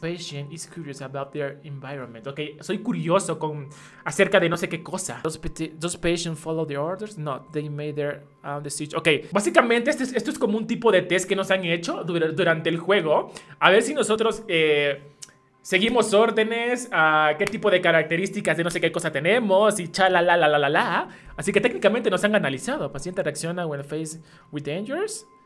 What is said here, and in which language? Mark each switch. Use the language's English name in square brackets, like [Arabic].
[English] Patient is curious about their environment. [Spanish] Ok, soy curioso con acerca de no sé qué cosa. [English] Those patients follow the orders? No, they made their decision. [Spanish] Ok, básicamente esto es como un tipo de test que nos han hecho durante el juego. A ver si nosotros seguimos órdenes, qué tipo de características de no sé qué cosa tenemos y chalalalalala. Así que técnicamente nos han analizado. Paciente reacciona [English] when faced with dangers.